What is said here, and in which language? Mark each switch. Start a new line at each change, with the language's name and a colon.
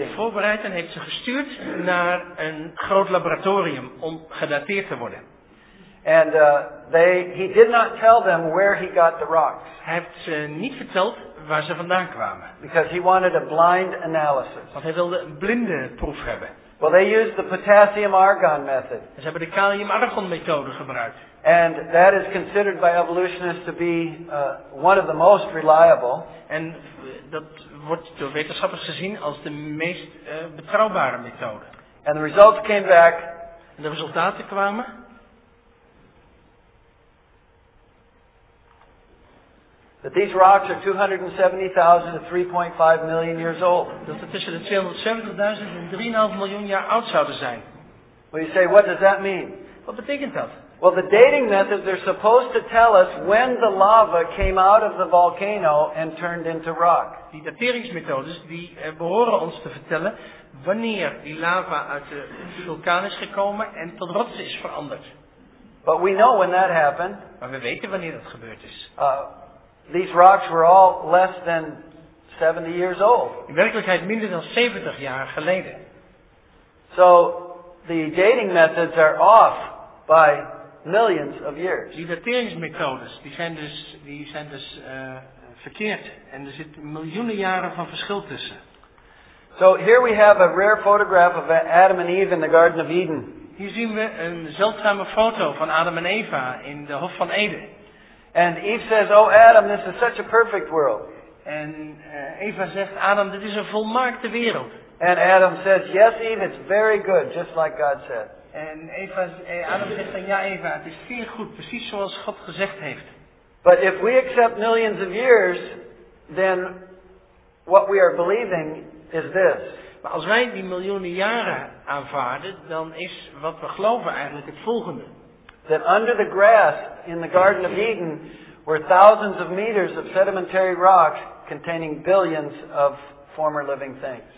Dutch: Heeft voorbereid en heeft ze gestuurd naar een groot laboratorium om gedateerd te worden.
English: And he did not tell them where he got the rocks.
Dutch: Hij heeft ze niet verteld waar ze vandaan kwamen.
English: Because he wanted a blind analysis.
Dutch: Want hij wilde een blinde proef hebben.
English: Well, they used the potassium argon method.
Dutch: Ze hebben de kalium argon methode gebruikt.
English: And that is considered by evolutionists to be one of the most reliable.
Dutch: En dat wordt door wetenschappers gezien als de meest betrouwbare methode.
English: And the results came back.
Dutch: En de resultaten kwamen.
English: That these rocks are 270,000 to 3.5 million years old.
Dutch: Dat het tussen de 270.000 en 3,5 miljoen jaar oud zouden zijn.
English: Well, you say, what does that mean?
Dutch: Wat betekent dat?
English: Well, the dating methods are supposed to tell us when the lava came out of the volcano and turned into rock.
Dutch: Die dateringsmethodes die behoren ons te vertellen wanneer die lava uit de vulkaan is gekomen en tot rots is veranderd.
English: But we know when that happened.
Dutch: Maar we weten wanneer dat gebeurd is.
English: These rocks were all less than 70 years old.
Dutch: In werkelijkheid minder dan 70 jaar geleden.
English: So the dating methods are off by millions of years.
Dutch: Die dateringsmethodes die zijn dus verkeerd en er zit miljoenen jaren van verschil tussen.
English: So here we have a rare photograph of Adam and Eve in the Garden of Eden.
Dutch: Hier zien we een zeldzame foto van Adam en Eva in de Hof van Eden.
English: And Eve says, "Oh Adam, this is such a perfect world."
Dutch: En Eva zegt, Adam, dit is een volmaakte wereld.
English: And Adam says, yes, Eve, it's very good, just like God said.
Dutch: En Eva, Adam zegt dan, ja Eva, het is zeer goed, precies zoals God gezegd heeft.
English: But if we accept millions of years, then what we are believing is this.
Dutch: Maar als wij die miljoenen jaren aanvaarden, dan is wat we geloven eigenlijk het volgende.
English: That under the grass in the Garden of Eden were thousands of meters of sedimentary rock containing billions of former living things.